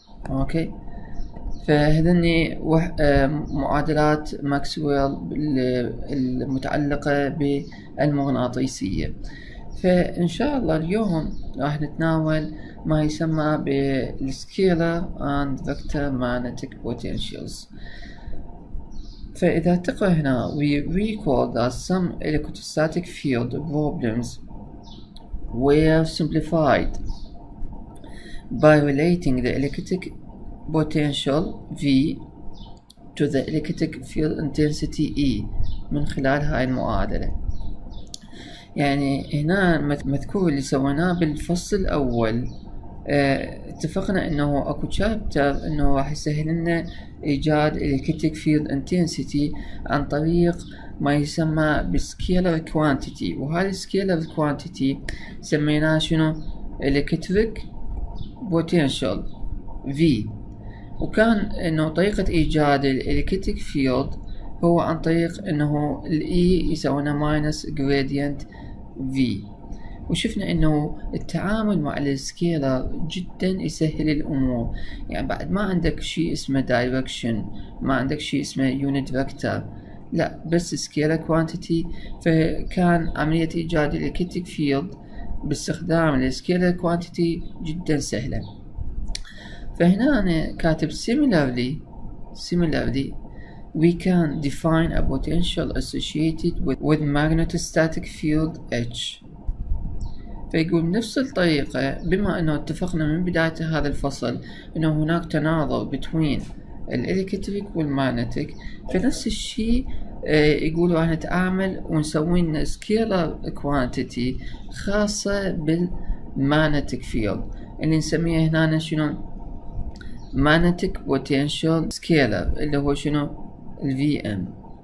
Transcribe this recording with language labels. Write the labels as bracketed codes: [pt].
[ar] اوكي، فهذني معادلات ماكسويل المتعلقة بالمغناطيسية. فان شاء الله اليوم راح نتناول ما يسمى بالسكيلر اند فيكتور ماجنتيك بوتنشلز. [en] فاذا تقرا هنا we recall that some electrostatic field problems were simplified by relating the electric potential V to the electric field intensity E من خلال هاي المعادلة. [ar] يعني هنا مذكور اللي سويناه بالفصل الاول، اتفقنا انه اكو شابتر انه راح يسهل لنا ايجاد الكتيك فيلد انتنسيتي عن طريق ما يسمى بالسكيلر كوانتيتي، وهذا السكيلر كوانتيتي سميناه شنو، الكتريك بوتنشال في. وكان انه طريقة ايجاد الكتيك فيلد هو عن طريق انه الاي يساوينا ماينس جراديانت في، وشفنا انه التعامل مع السكيلر جدا يسهل الامور. يعني بعد ما عندك شيء اسمه دايركشن، ما عندك شيء اسمه يونت فيكتور، لا بس سكيلر كوانتيتي. فكان عمليه ايجاد الكتيك فيلد باستخدام السكيلر كوانتيتي جدا سهله. [en] فهنا انا كاتب similarly we can define a potential associated with magnetostatic field H. [ar] فيقول بنفس الطريقة، بما انه اتفقنا من بداية هذا الفصل انه هناك تناظر بين الالكتريك والماجنتيك، فنفس الشيء يقول راح نتعامل ونسوي لنا سكيلر كوانتيتي خاصة بالماجنتيك فيلد اللي نسميه هنا شنو، ماجنتيك بوتنشال سكيلر اللي هو شنو، الفي ام.